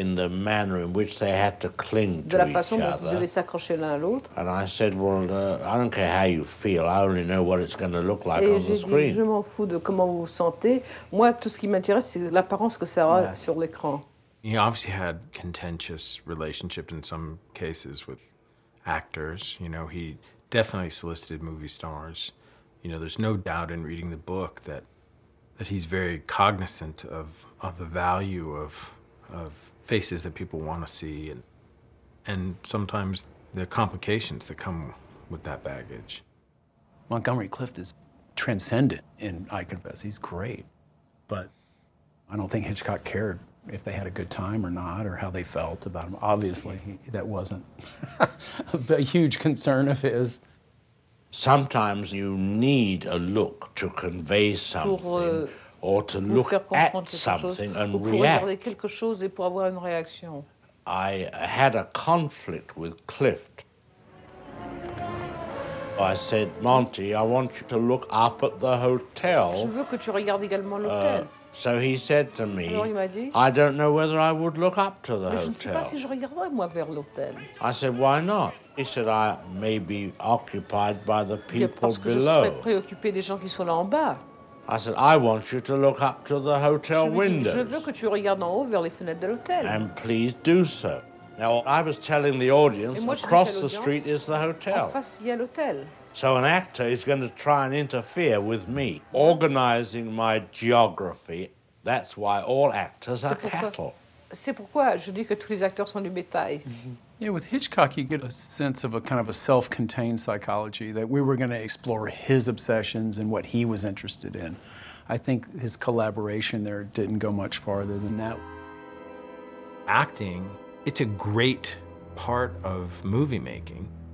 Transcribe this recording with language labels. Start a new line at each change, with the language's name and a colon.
English: In the manner in which they had to cling to each other.
French: Devaient s'accrocher l'un à l'autre.
English: And I said, "Well, I don't care how you feel. I only know what it's going to look like on the screen."
French: Et je m'en fous de comment vous vous sentez. Moi, tout ce qui m'intéresse, c'est l'apparence que ça aura sur l'écran.
English: He obviously had contentious relationship in some cases with actors. You know, he definitely solicited movie stars. You know, there's no doubt in reading the book that he's very cognizant of the value of faces that people want to see and sometimes the complications that come with that baggage. Montgomery Clift is transcendent in I Confess. He's great. But I don't think Hitchcock cared if they had a good time or not or how they felt about him. Obviously, that wasn't a huge concern of his. Sometimes you need a look to convey something or to look at something and react.
French: Pour quelque chose et pour avoir une réaction.
English: I had a conflict with Clift. I said, Monty, I want you to look up at the hotel.
French: Je veux que tu regardes également l'hôtel.
English: So he said to me, I don't know whether I would look up to the hotel.
French: Je ne sais pas si je regarderais moi vers l'hôtel.
English: I said, why not? He said, I may be occupied by the people below.
French: Je serais préoccupé des gens qui sont là en bas.
English: I said, I want you to look up to the hotel windows.
French: Je veux que tu regardes en haut vers les fenêtres de l'hôtel.
English: And please do so. Now, I was telling the audience, across the street is the hotel.
French: En face, il y a l'hôtel.
English: So an actor is going to try and interfere with me, organizing my geography. That's why all actors are cattle.
French: C'est pourquoi je dis que tous les acteurs sont du bétail.
English: Yeah, with Hitchcock, you get a sense of a kind of a self-contained psychology that we were going to explore his obsessions and what he was interested in. I think his collaboration there didn't go much farther than that. Acting, it's a great part of movie making.